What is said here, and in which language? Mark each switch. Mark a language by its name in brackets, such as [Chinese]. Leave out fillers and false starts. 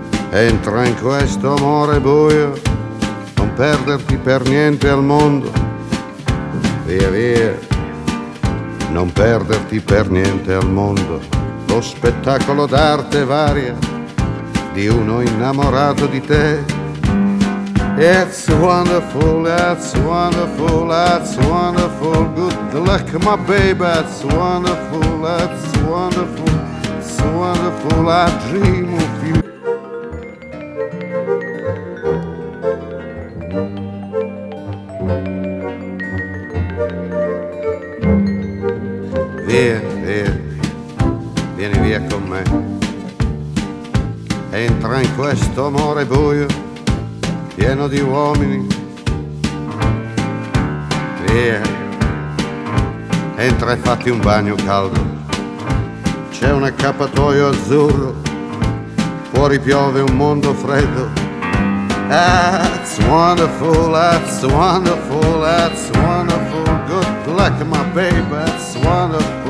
[Italian] Entra in questo amore buio, non perderti per niente al mondo. Via, via, non perderti per niente al mondo. Lo spettacolo d'arte varia di uno innamorato di te. [English] It's wonderful, that's wonderful, that's wonderful. Good luck, my baby, it's wonderful, that's wonderful, it's wonderful, I dream of you. [Italian] Via, via, vieni via con me. Entra in questo amore buio, pieno di uomini. Via, entra e fatti un bagno caldo. C'è un accappatoio azzurro, fuori piove un mondo freddo. [English] That's wonderful, that's wonderful, that's wonderful. Good luck, my baby, that's wonderful.